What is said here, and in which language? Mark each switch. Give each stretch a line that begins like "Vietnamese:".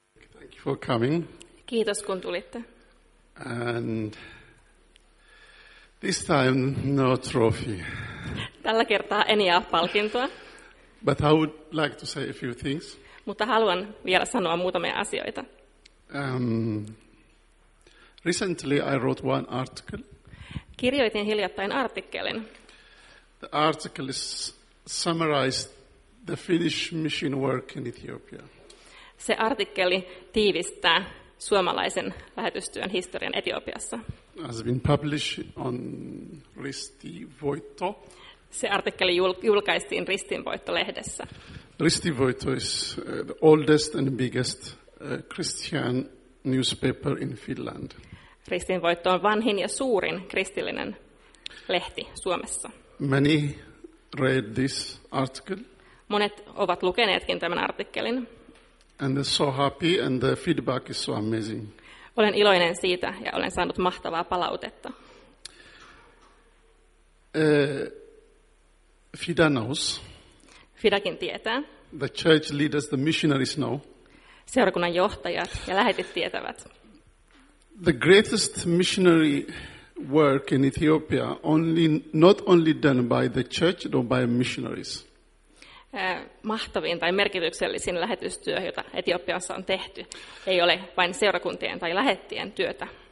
English: Thank you for coming.
Finnish: Kiitos kun tulitte.
English: And this time no trophy.
Finnish: Tällä kertaa en jaa palkintoa.
English: But I would like to say a few things.
Finnish: Mutta haluan vielä sanoa muutamia asioita.
English: Recently I wrote one article.
Finnish: Kirjoitin hiljattain artikkelin.
English: The article is summarized the Finnish mission work in Ethiopia.
Finnish: Se artikkeli tiivistää suomalaisen lähetystyön historian Etiopiassa.
English: Has been published on Ristivoitto.
Finnish: Se artikkeli julkaistiin Ristinvoitto-lehdessä.
English: Ristinvoitto is the oldest and biggest Christian newspaper in Finland.
Finnish: Ristinvoitto on vanhin ja suurin kristillinen lehti Suomessa.
English: Many read this article.
Finnish: Monet ovat lukeneetkin tämän artikkelin.
English: And they're so happy and the feedback is so amazing.
Finnish: Olen iloinen siitä ja olen saanut mahtavaa palautetta.
English: Fida knows.
Finnish: Fidakin tietää.
English: The church leaders, the missionaries know.
Finnish: Seurakunnan johtajat ja lähetit tietävät.
English: The greatest missionary work in Ethiopia not only done by the church, but by missionaries.
Finnish: Mahtavin tai merkityksellisin lähetystyö, jota Etiopiassa on tehty, ei ole vain seurakuntien tai lähettien työtä.